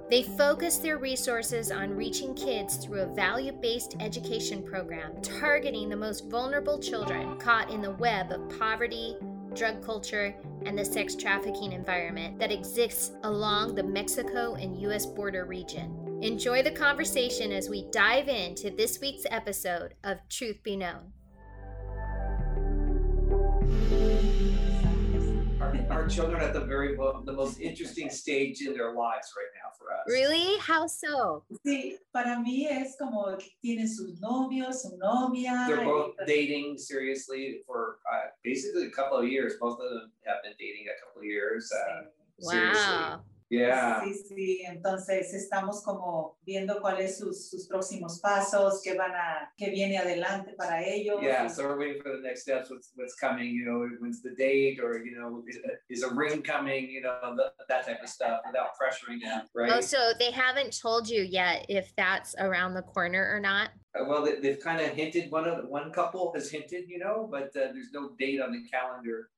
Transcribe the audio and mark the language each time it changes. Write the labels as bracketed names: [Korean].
[English] They focus their resources on reaching kids through a value-based education program, targeting the most vulnerable children caught in the web of poverty, drug culture, and the sex trafficking environment that exists along the Mexico and U.S. border region. Enjoy the conversation as we dive into this week's episode of Truth Be Known. Our children are at the most interesting stage in their lives right now for us. Really? How so? [Spanish] Sí, para mí es como tiene sus novios, su novia. [English] They're both dating seriously for basically a couple of years. Both of them have been dating a couple of years. Wow. Yeah. [Spanish] Sí, sí. Entonces estamos como viendo cuáles sus próximos pasos, qué viene adelante para ellos. [English] Yeah, so we're waiting for the next steps, what's coming, you know, when's the date, or, you know, is a ring coming, you know, that type of stuff without pressuring them, right? Oh, so they haven't told you yet if that's around the corner or not? Well, they've kind of hinted, one couple has hinted, you know, but there's no date on the calendar.